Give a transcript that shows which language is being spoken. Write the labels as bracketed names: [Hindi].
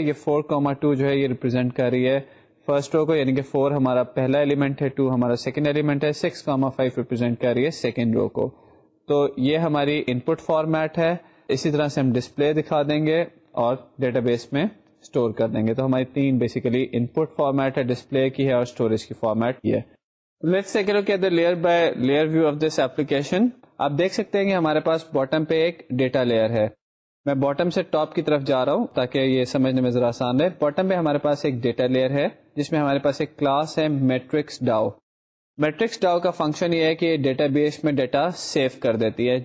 [Urdu] یہ 4, 2 جو ہے یہ ریپرزینٹ کر رہی ہے فرسٹ رو کو, یعنی کہ 4 ہمارا پہلا ایلیمنٹ ہے, 2 ہمارا سیکنڈ ایلیمنٹ ہے, 6, 5 ریپرزینٹ کر رہی ہے سیکنڈ رو کو. تو یہ ہماری ان پٹ فارمیٹ ہے. اسی طرح سے ہم ڈسپلے دکھا دیں گے اور ڈیٹا بیس میں اسٹور کر دیں گے. تو ہماری تین بیسیکلی ان پٹ فارمیٹ ہے, ڈسپلے کی ہے اور اسٹوریج کی فارمیٹ کی ہے. [English] Let's take a look at the layer by layer view of this application. [Urdu] آپ دیکھ سکتے ہیں کہ ہمارے پاس باٹم پہ ایک ڈیٹا لیئر ہے. میں باٹم سے ٹاپ کی طرف جا رہا ہوں تاکہ یہ سمجھنے میں ذرا آسان ہے. باٹم پہ ہمارے پاس ایک ڈیٹا لیئر ہے جس میں ہمارے پاس ایک کلاس ہے میٹرکس ڈاؤ. میٹرکس ڈاؤ کا فنکشن یہ ہے کہ ڈیٹا بیس میں ڈیٹا سیف کر دیتی ہے.